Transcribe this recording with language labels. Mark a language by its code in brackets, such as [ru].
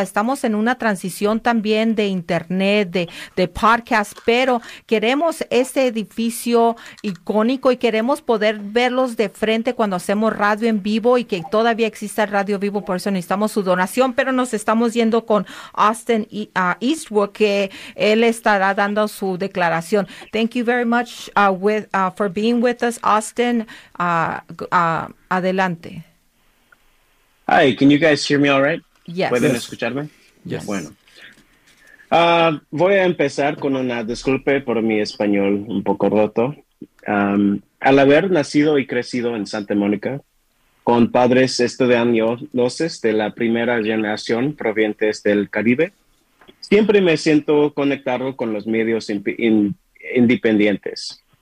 [es] Estamos en una transición también de internet, de podcast, pero queremos este edificio icónico y queremos poder verlos de frente cuando hacemos radio en vivo, y que todavía exista radio vivo. Por eso necesitamos su donación. Pero nos estamos yendo con Austin Eastwood, que él estará dando su declaración. [en] Thank you very much for being with us, Austin. [es] Adelante. [en] Hi, can you guys hear me all right? Yes. [es] ¿Pueden escucharme? [en] Yes. [es] Bueno. Voy a empezar con una disculpe por mi español un poco roto. Al haber nacido y crecido en Santa Mónica, con padres estadounidenses de la primera generación provenientes del Caribe, siempre me siento conectado con los medios independientes.